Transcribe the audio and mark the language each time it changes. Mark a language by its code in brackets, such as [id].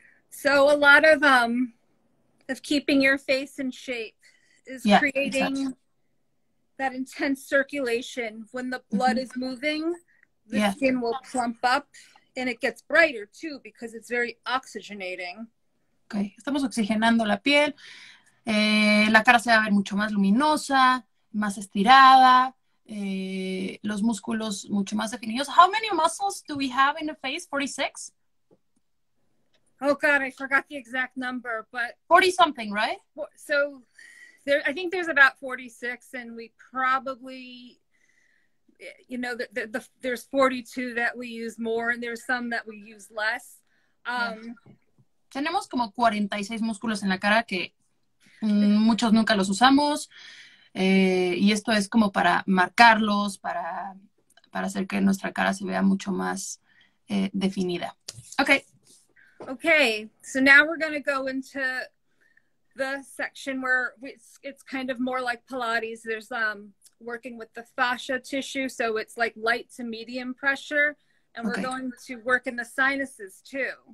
[en] So a lot of keeping your face in shape is creating that intense circulation. When the blood is moving, the skin will plump up and it gets brighter too because it's very oxygenating. [es] Okay, estamos oxigenando la piel. La cara se va a ver mucho más luminosa, más estirada, los músculos mucho más definidos. [en] How many muscles do we have in the face? 46? Oh God, I forgot the exact number, but 40 something, right? So there, I think there's about 46, and we probably, you know, there's 42 that we use more, and there's some that we use less. [es] Tenemos como 46 músculos en la cara que muchos nunca los usamos. Y esto es como para marcarlos, para hacer que nuestra cara se vea mucho más definida. Okay. [en] Okay, so now we're going to go into the section where it's kind of more like Pilates. There's working with the fascia tissue, so it's like light to medium pressure. And we're going to work in the sinuses too.